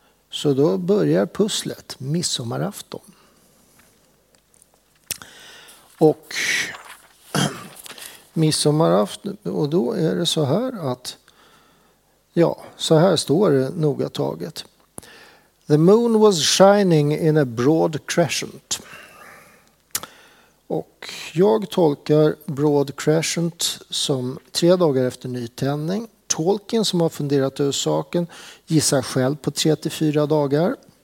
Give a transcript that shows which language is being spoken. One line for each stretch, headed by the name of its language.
Swedish: Så då börjar pusslet, midsommarafton. Och midsommarafton, och då är det så här att, ja, så här står det noga taget.
English: The moon was shining in a broad crescent.
Swedish: Och jag tolkar broad crescent som 3 dagar efter nytändning. Tolkien som har funderat över saken gissar själv på 3-4 dagar.